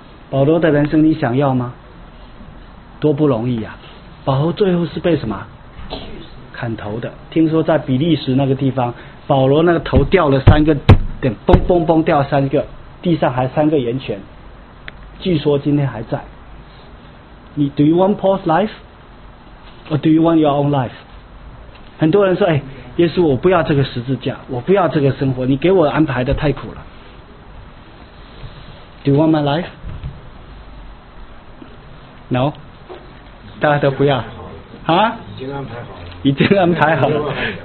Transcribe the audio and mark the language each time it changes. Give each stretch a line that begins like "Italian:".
Chinese: 保罗的人生你想要吗？多不容易啊！保罗最后是被什么？砍头的。听说在比利时那个地方，保罗那个头掉了三个，点嘣嘣嘣掉三个，地上还三个圆圈，据说今天还在。
English: 你 do you want Paul's life or do you want your own life？
Chinese: 很多人说，哎，耶稣我不要这个十字架，我不要这个生活，你给我安排的太苦了。
English: do you want my life？
Chinese: no， 大家都不要啊，已经安排好了，已经安排好了。